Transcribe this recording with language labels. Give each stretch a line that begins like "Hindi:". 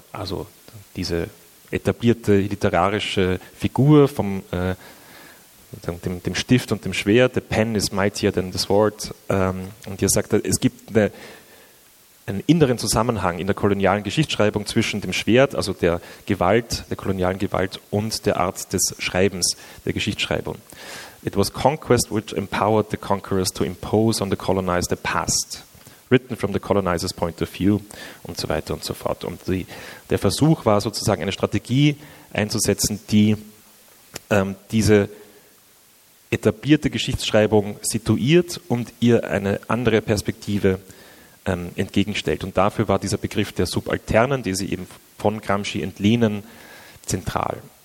German: Also diese etablierte literarische Figur vom dem Stift und dem Schwert,
English: the pen is mightier than the sword.
German: Und hier sagt er, es gibt einen inneren Zusammenhang in der kolonialen Geschichtsschreibung zwischen dem Schwert, also der Gewalt, der kolonialen Gewalt und der Art des Schreibens, der Geschichtsschreibung.
English: It was conquest which empowered the conquerors to impose on the colonized the past, written from the colonizer's point of view
German: und so weiter und so fort. Und der Versuch war sozusagen eine Strategie einzusetzen, die diese etablierte Geschichtsschreibung situiert und ihr eine andere Perspektive entgegenstellt. Und dafür war dieser Begriff der Subalternen, die sie eben von Gramsci entlehnen, zentral.